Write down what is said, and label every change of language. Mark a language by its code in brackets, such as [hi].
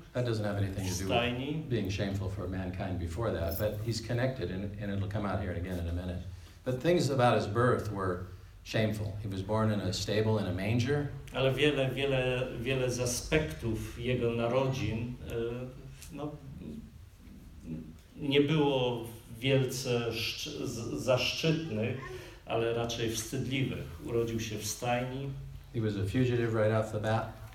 [en] That doesn't have anything to do with being shameful for mankind before that, but he's connected, and it'll come out here again in a minute. But things about his birth were shameful. He was born in a stable in a manger. [pl] Ale wiele, wiele, wiele z aspektów jego narodzin no, nie było wielce zaszczytnych, ale raczej wstydliwych. Urodził się w stajni. [en] He was a fugitive right off the bat.